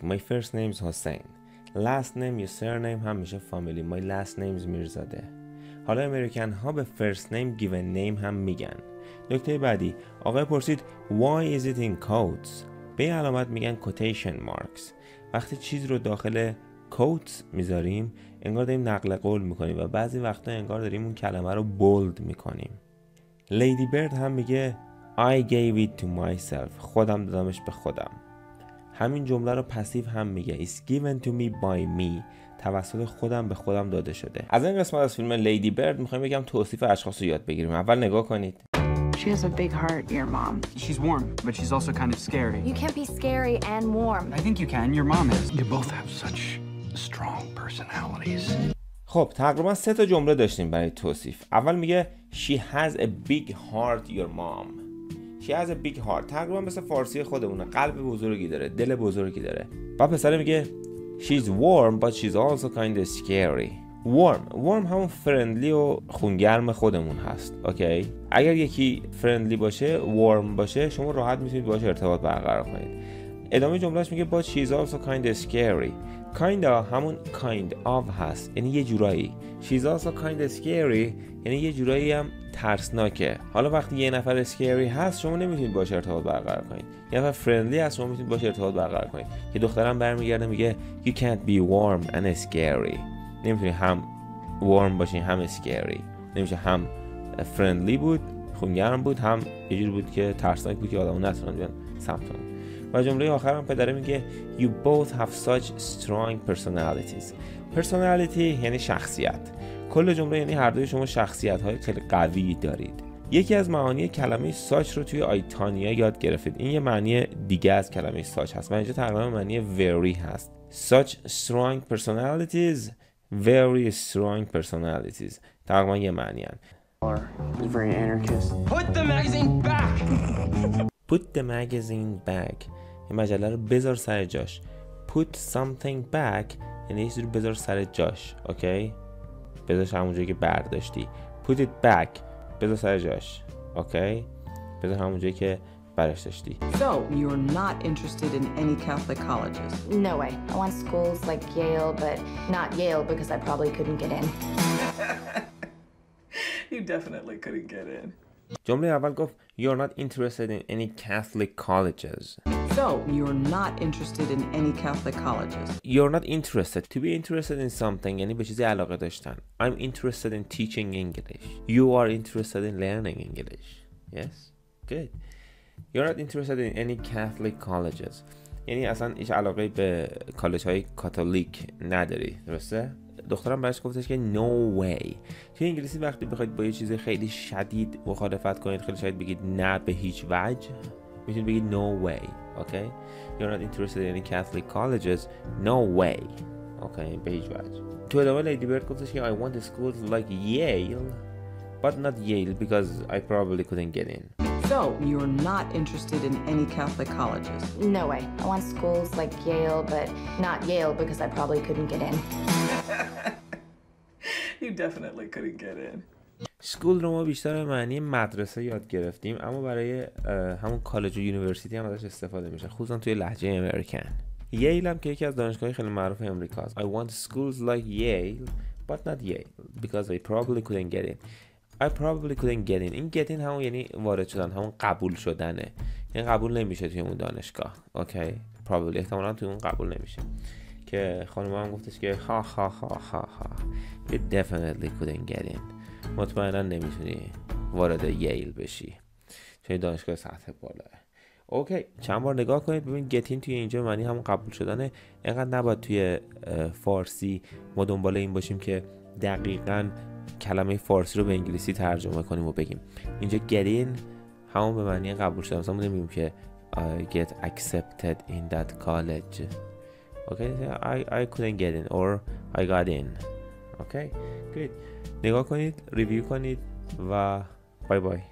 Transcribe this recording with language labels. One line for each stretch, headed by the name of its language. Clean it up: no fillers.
English: My first name is Hussein. Last name
Persian: یا
English: surname
Persian: هم میشه
English: family. My last name is Mirzadeh.
Persian: حالا امریکن ها به
English: first name given name
Persian: هم میگن. نکته بعدی، آقای پرسید
English: Why is it in quotes؟
Persian: به علامت میگن
English: quotation marks.
Persian: وقتی چیز رو داخل quotes میذاریم انگار داریم نقل قول میکنیم و بعضی وقتا انگار داریم اون کلمه رو bold میکنیم.
English: Lady Bird
Persian: هم میگه
English: I gave it to myself.
Persian: خودم دادمش به خودم. همین جمله رو پسیو هم میگه It's given to me by me. توسط خودم به خودم داده شده. از این قسمت از فیلم Lady Bird میخوایم بگم توصیف اشخاص رو یاد بگیریم. اول نگاه کنید.
English: She has a big heart, your mom. She's warm, but she's also kind of scary. You can't be scary and warm. I think you can. Your mom is. You both have such strong personalities.
Persian: خب تقریبا سه تا جمله داشتیم برای توصیف. اول میگه
English: She has a big heart, your mom. She has a big heart.
Persian: تقریبا مثل فارسی خودمونه. قلب بزرگی داره. دل بزرگی داره. بعد پسر میگه
English: She's warm, but she's also kind of scary. Warm.
Persian: Warm همون friendly و خونگرم خودمون هست.
English: Okay.
Persian: اگر یکی friendly باشه، warm باشه، شما راحت میتونید باهاش ارتباط برقرار کنید. ادامه جملهش میگه
English: But she's also kind of scary. Kind of همون kind of هست.
Persian: یعنی یه جورایی.
English: She's also kind of scary.
Persian: یعنی یه جورایی هم ترسناکه. حالا وقتی یه نفر scary هست شما نمیتونید باهاش ارتباط برقرار کنید. یه نفر friendly هست شما میتونید باهاش ارتباط برقرار کنید. که دخترم برمیگرده میگه
English: You can't be warm and scary.
Persian: نمیتونی هم warm باشین هم scary. نمیشه هم friendly بود، خونگرم بود، هم یه جور بود که ترسناک بود که آدمو نترن بیان سمتتون. و جمله آخرم پدره میگه
English: You both have such strong personalities.
Persian: Personality یعنی شخصیت. کل جمله یعنی هر دوی شما شخصیت‌های خیلی قوی دارید. یکی از معانی کلمه ساچ رو توی آیتانیا یاد گرفتید. این یه معنی دیگه از کلمه ساچ هست. من اینجا ترجمه معنی very هست.
English: Such strong personalities, very strong personalities.
Persian: ترجمه یه معنی هست.
English: Very anarchist. Put the magazine back. Put the magazine back.
Persian: این مجله رو بذار سر جاش.
English: Put something back
Persian: یعنی یه رو بذار سر جاش. اوکی؟ بذارش همونجایی که برداشتی.
English: Put it back.
Persian: بذار سر جاش. اوکی؟ بذار همونجایی که برش داشتی.
English: So, you're not interested in any Catholic colleges? No way. I want schools like Yale, but not Yale because I probably couldn't get in. You definitely couldn't get in.
Persian: جمله اول گفت
English: You're not interested in any Catholic colleges. So, you're not interested in any Catholic colleges. You're not interested. To be interested in something
Persian: یعنی به چیزی علاقه داشتن.
English: I'm interested in teaching English. You are interested in learning English. Yes? Good. You're not interested in any Catholic colleges.
Persian: یعنی اصلا هیچ علاقه به کالج های کاتولیک نداری. درسته؟ دخترم برش گفتش که
English: no way.
Persian: توی انگلیسی وقتی بخواید با یه چیز خیلی شدید مخالفت کنید خیلی شاید بگید نه به هیچ وجه، میتونید بگید no way.
English: Okay? You're not interested in any Catholic colleges. No way.
Persian: Okay, به هیچ وجه. تو ادامه لیدی برد گفتش که
English: I want schools like Yale but not Yale because I probably couldn't get in. So you're not interested in any Catholic colleges. No way. I want schools like Yale but not Yale because I probably couldn't get in. You definitely couldn't get in.
Persian: سکول رو ما بیشتر به معنی مدرسه یاد گرفتیم، اما برای همون کالج و یونیورسیتی هم ازش استفاده میشه، خصوصا توی لهجه امریکن. ییل هم که یکی از دانشگاه خیلی معروف امریکا است.
English: I want schools like Yale but not Yale because I probably couldn't get in. I probably couldn't get in.
Persian: این get in همون یعنی وارد شدن، همون قبول شدنه. یعنی قبول نمیشه توی اون دانشگاه. اوکی. Probably احتمالا توی اون قبول نمیشه. که خانم هم گفتش که ها ها ها ها ها
English: you definitely couldn't get in.
Persian: مطمئنا نمیتونی وارد ییل بشی چون دانشگاه سطح بالاست. اوکی، چند بار نگاه کنید ببین get in توی اینجا معنی همون قبول شدنه. اینقدر نباید توی فارسی ما دنبال این باشیم که دقیقاً کلمه فارسی رو به انگلیسی ترجمه کنیم و بگیم اینجا get in همون به معنی قبول شدن. مثلا ما نمیگیم که
English: get accepted in that college. Okay, I couldn't get in or I got in.
Persian: اوکی، good. نگاه کنید، ریویو کنید و بای بای.